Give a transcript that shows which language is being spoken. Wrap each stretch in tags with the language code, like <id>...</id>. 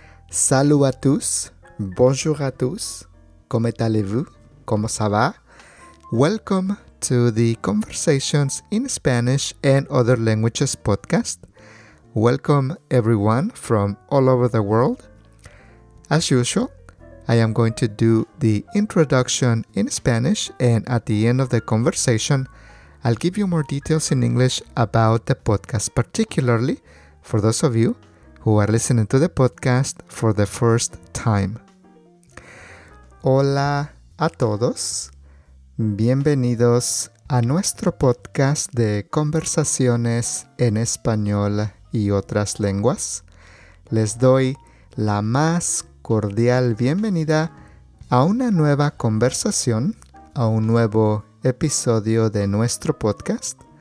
<fr>Salut a tous, bonjour a tous, comment allez-vous? ¿Cómo ça va?</fr> <en>Welcome to the Conversations in Spanish and Other Languages podcast. Welcome everyone from all over the world. As usual, I am going to do the introduction in Spanish, and at the end of the conversation, I'll give you more details in English about the podcast, particularly for those of you who are listening to the podcast for the first time.</en> <es>Hola a todos. Bienvenidos a nuestro podcast de conversaciones en español y otras lenguas. Les doy la más cordial bienvenida a una nueva conversación, a un nuevo episodio de nuestro podcast.</es>